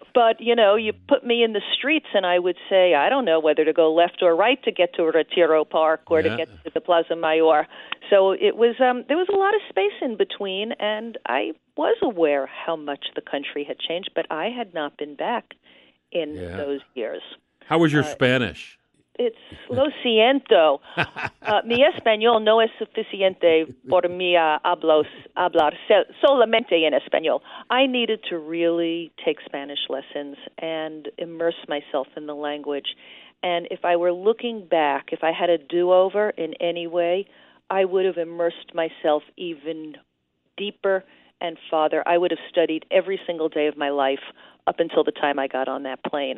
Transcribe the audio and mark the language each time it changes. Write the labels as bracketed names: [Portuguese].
[English] But, you know, you put me in the streets and I would say, I don't know whether to go left or right to get to Retiro Park or to get to the Plaza Mayor. So it was there was a lot of space in between, and I was aware how much the country had changed, but I had not been back in those years. How was your Spanish? It's [Spanish] lo siento. Mi español no es suficiente por mi hablar solamente en español. [English] I needed to really take Spanish lessons and immerse myself in the language. And if I were looking back, if I had a do-over in any way, I would have immersed myself even deeper and farther. I would have studied every single day of my life up until the time I got on that plane.